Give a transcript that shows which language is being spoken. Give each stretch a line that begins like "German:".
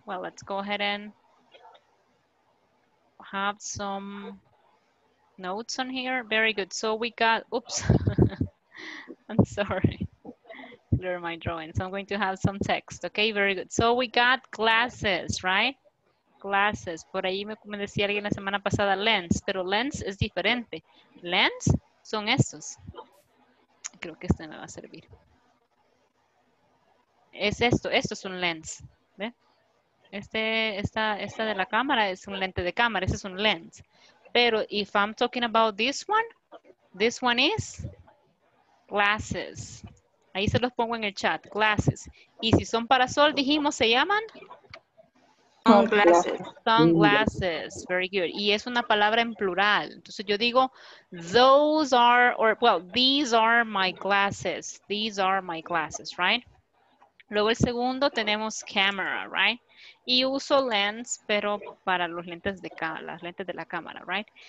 English: Well, let's go ahead and have some notes on here. Very good. So we got... Oops. I'm sorry. Clear my drawing. So I'm going to have some text, okay? Very good. So we got glasses, right? Glasses.
Spanish: Por ahí me decía alguien la semana pasada lens, pero lens es diferente. Lens son estos. Creo que este me va a servir. Es esto, esto es un lens. ¿Ve? Esta de la cámara es un lente de cámara, ese es un lens.
English: Pero if I'm talking about this one is glasses.
Spanish: Ahí se los pongo en el chat, glasses. Y si son para sol, dijimos, se llaman...
English: Sunglasses. Sunglasses, very good.
Spanish: Y es una palabra en plural. Entonces yo digo,
English: those are, or well, these are my glasses. These are my glasses, right?
Spanish: Luego el segundo tenemos
English: camera, right?
Spanish: Y uso lens, pero para los lentes de las lentes de la cámara,
English: right?